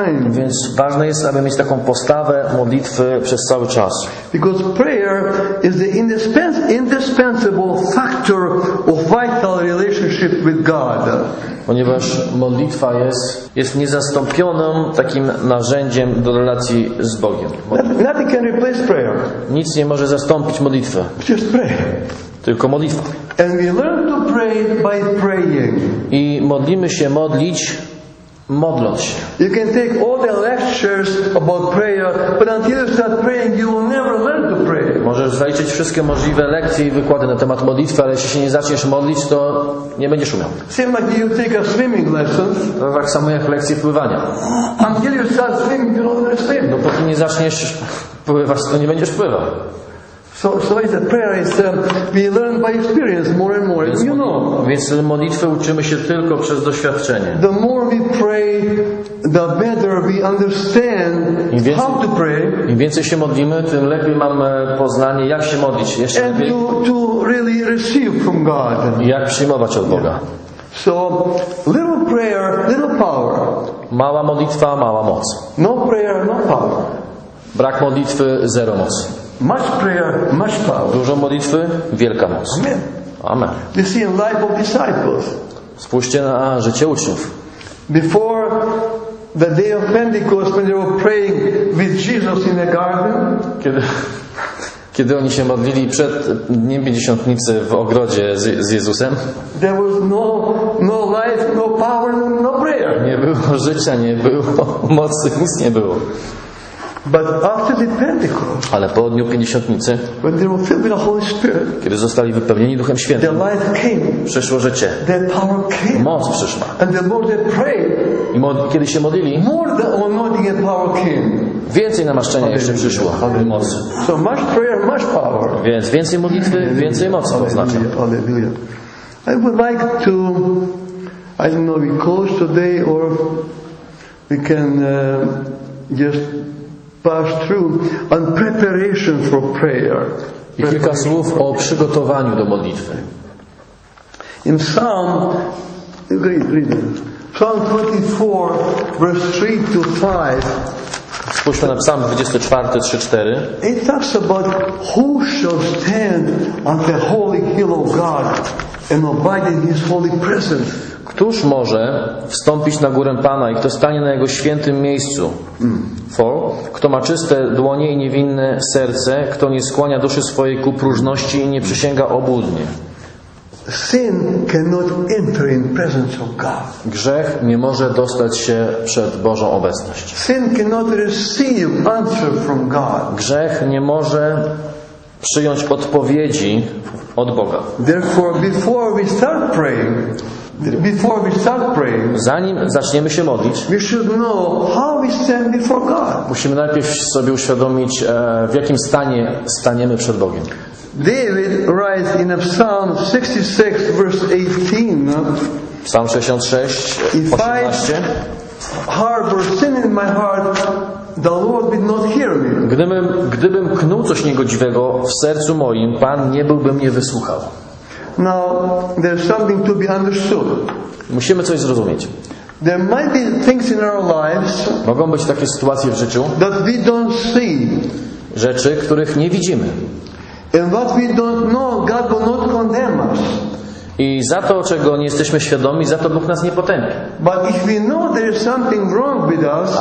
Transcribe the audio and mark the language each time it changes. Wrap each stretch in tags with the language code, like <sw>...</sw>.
<pl>Więc ważne jest, aby mieć taką postawę modlitwy przez cały czas.</pl> <en>Because prayer is the indispensable factor of vital relationship with God.</en> <pl>Ponieważ modlitwa jest niezastąpionym takim narzędziem do relacji z Bogiem.</pl> <en>Nothing can replace prayer.</en> <pl>Nic nie może zastąpić modlitwy.</pl> <en>Just pray.</en> <pl>Tylko modlitwa.</pl> <en>And we learn to pray by praying.</en> <pl>I modlimy się modlić. Modląc się.</pl> <en>You can take all the lectures about prayer, but until you start praying, you will never learn to pray.</en> <pl>Możesz zaliczyć wszystkie możliwe lekcje i wykłady na temat modlitwy, ale jeśli się nie zaczniesz modlić, to nie będziesz umiał.</pl> <en>Same like you take a swimming lessons.</en> <pl>Tak samo jak lekcje pływania.</pl> <en>Until you start swimming, you don't understand.</en> <pl>No, dopóki nie zaczniesz pływać, to nie będziesz pływał.</pl> <en>So is that prayer is we learn by experience more and more. You know.</en> <pl>Więc modlitwy uczymy się tylko przez doświadczenie.</pl> <en>The more we pray, the better we understand how to pray.</en> <pl>Im więcej się modlimy, tym lepiej mamy poznanie, jak się modlić. Jeszcze</pl> <en>and</en> <pl>lepiej.</pl> <en>To really receive from God.</en> <pl>Jak przyjmować od Boga.</pl> <en>Yeah. So little prayer, little power.</en> <pl>Mała modlitwa, mała moc.</pl> <en>No prayer, no power.</en> <pl>Brak modlitwy, zero mocy.</pl> <en>Much prayer, much power.</en> <pl>Dużo modlitwy, wielka moc.</pl> <en>Amen.</en> <pl>Amen.</pl> <en>You see in life of disciples.</en> <pl>Spójrzcie na życie uczniów.</pl> <en>Before the day of Pentecost, when they were praying with Jesus in the garden.</en> <pl>Kiedy oni się modlili przed dniem pięćdziesiątnicy w ogrodzie z Jezusem.</pl> <en>There was no life, no power, no prayer.</en> <pl>Nie było życia, nie było mocy, nic nie było.</pl> <en>But after the Pentecost,</en> <pl>ale po dniu pięćdziesiątnicy,</pl> <en>when they were filled with the Holy Spirit,</en> <pl>kiedy zostali wypełnieni Duchem Świętym,</pl> <en>the life came,</en> <pl>przyszło życie,</pl> <en>the power came,</en> <pl>moc przyszła.</pl> <en>And the more they prayed,</en> <pl>i kiedy się modlili,</pl> <en>more the anointing and power came,</en> <pl>więcej namaszczenia jeszcze przyszło, aby moc.</pl> <en>So much prayer, much power.</en> <pl>Więc więcej modlitwy,</pl> <en>Alleluia.</en> <pl>Więcej mocy. Oznacza.</pl> <en>Alleluia. I would like to, I don't know, we close today or we can just pass through on preparation for prayer.</en> <pl>I kilka słów o przygotowaniu do modlitwy.</pl> <en>In Psalm, read it. Psalm 24, verse 3 to 5.</en> <pl>Spójrzmy na Psalm 24, 3-4.</pl> <en>It talks about who shall stand on the holy hill of God and abide in His holy presence.</en> <pl>Któż może wstąpić na górę Pana i kto stanie na Jego świętym miejscu? For, kto ma czyste dłonie i niewinne serce, kto nie skłania duszy swojej ku próżności i nie przysięga obłudnie.</pl> <en>Sin cannot enter in presence of God.</en> <pl>Grzech nie może dostać się przed Bożą obecność.</pl> <en>Sin cannot receive answer from God.</en> <pl>Grzech nie może przyjąć odpowiedzi od Boga.</pl> <en>Therefore, before we start praying, before we start praying,</en> <pl>zanim zaczniemy się modlić,</pl> <en>we should know how we stand before God.</en> <pl>Musimy najpierw sobie uświadomić, w jakim stanie staniemy przed Bogiem.</pl> <en>David writes in Psalm 66, verse 18.</en> <pl>Psalm 66, 18.</pl> <en>If I harbor sin in my heart, the Lord would not hear me.</en> <pl>Gdybym knuł coś niegodziwego w sercu moim, Pan nie byłby mnie wysłuchał.</pl> <en>Now there's something to be understood.</en> <pl>Musimy coś zrozumieć.</pl> <en>There might be things in our lives.</en> <pl>Mogą być takie sytuacje w życiu.</pl> <en>That we don't see.</en> <pl>Rzeczy, których nie widzimy.</pl> <en>And what we don't know, God will not condemn us.</en> <pl>I za to, czego nie jesteśmy świadomi, za to Bóg nas nie potępi.</pl> <en>But if we know there is something wrong with us,</en>